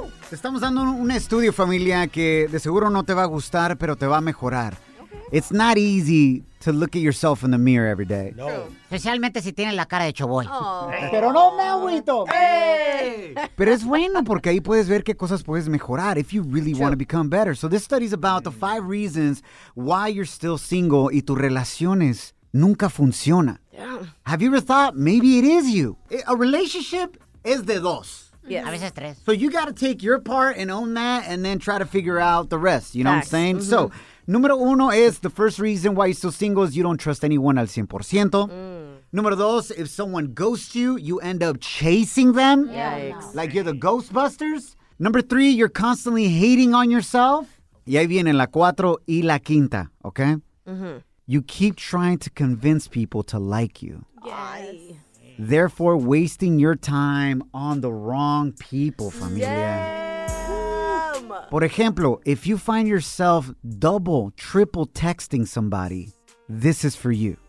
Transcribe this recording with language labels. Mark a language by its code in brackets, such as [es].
[es] Estamos dando un estudio, familia, que de seguro no te va a gustar, pero te va a mejorar. [en] Okay. it's not easy to look at yourself in the mirror every day. No. [es] Especialmente si tienes la cara de choboy. Pero no me agüito. Pero es bueno porque ahí puedes ver qué cosas puedes mejorar if you really want to become better. [en] So this study is about the five reasons why you're still single y tus relaciones nunca funciona. Yeah. Have you ever thought maybe it is you? [es] A relationship es de dos. Yes. A veces tres. [en] So you got to take your part and own that and then try to figure out the rest. You know Facts. What I'm saying? Mm-hmm. So, número uno is the first reason why you're still single is you don't trust anyone al 100%. Número dos, if someone ghosts you, you end up chasing them. Yikes. Like you're the Ghostbusters. Number three, you're constantly hating on yourself. [es] Y ahí vienen la cuatro y la quinta, okay? Mm-hmm. [en] You keep trying to convince people to like you. Yes. Therefore, wasting your time on the wrong people, familia. Yeah. Por ejemplo, if you find yourself double, triple texting somebody, this is for you.